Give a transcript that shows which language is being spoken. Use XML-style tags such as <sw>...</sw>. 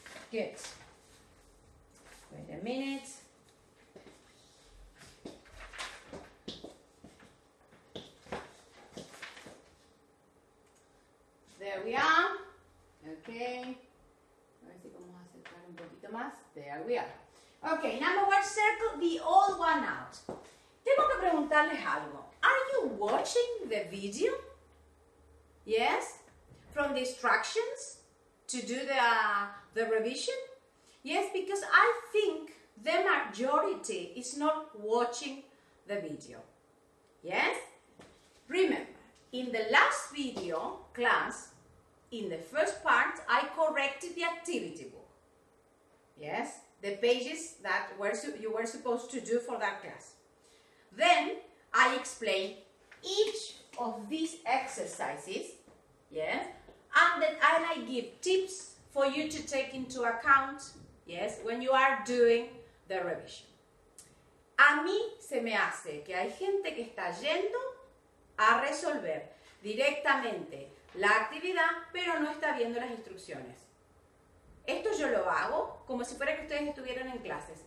<en>Good. Wait a minute. There we are. Okay.</en> <es>A ver si podemos acercar un poquito más.</es> <en>There we are. Okay, number one, circle the old one out.</en> <es>Tengo que preguntarles algo.</es> <en>Are you watching the video? Yes? From the instructions to do the revision? Yes, because I think the majority is not watching the video. Yes? Remember, in the last video class, in the first part, I corrected the activity book. Yes? The pages that were you were supposed to do for that class. Then, I explain each of these exercises. Yes? And I give tips for you to take into account. Yes? When you are doing the revision.</en> <es>A mí se me hace que hay gente que está yendo a resolver directamente la actividad, pero no está viendo las instrucciones. Esto yo lo hago como si fuera que ustedes estuvieran en clases.</es>